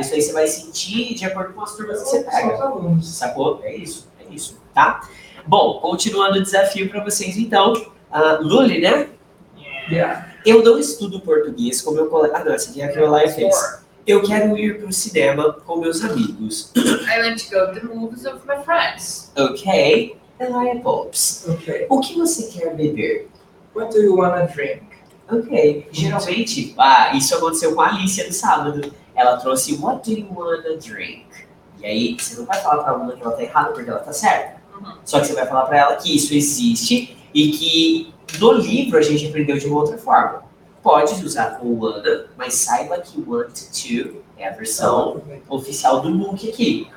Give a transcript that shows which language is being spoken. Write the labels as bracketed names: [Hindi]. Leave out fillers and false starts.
[Portuguese] Isso aí você vai sentir de acordo com as turmas que você pega. São os alunos. Sacou? É isso. É isso. Tá? Bom, continuando o desafio para vocês, então. Lully, né? [English] Yeah. [Portuguese] Eu não estudo português com meu colega. Ah, não, essa aqui é a Crayola FS. Eu quero ir pro cinema com meus amigos. [English] I want to go to the movies with my friends. [Portuguese] Ok. Eli Pops. Ok. O que você quer beber? [English] What do you want to drink? [Portuguese] Ok. Geralmente, isso aconteceu com a Alicia no sábado. Ela trouxe [English] what do you want to drink? [Portuguese] E aí, você não vai falar pra ela que ela tá errada porque ela tá certa. Só que você vai falar pra ela que isso existe e que no livro a gente aprendeu de uma outra forma. Pode usar o wanna, mas saiba que want to é a versão oficial do MOOC aqui.